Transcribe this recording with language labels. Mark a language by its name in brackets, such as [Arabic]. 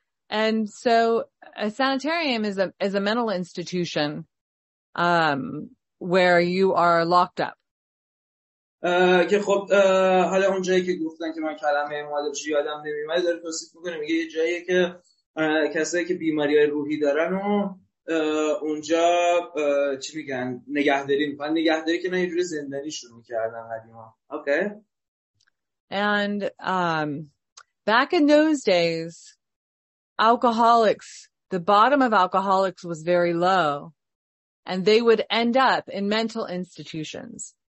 [English] And so a sanitarium is a mental institution where you are locked up. [Persian] که خب حالا اون جایی که گفتن که من کلمه مادرش یادم نمیاد، داره توصیف میکنه، میگه یه جایی که کسایی که بیماری‌های روحی دارن و اونجا چی میگن نگهداری میکنن، نگهداری که نه، یه جوری زندانی شروع میکردن قدیما. [English] Okay. And back in those days, alcoholics, the bottom of alcoholics was very low, and they would end up in mental institutions.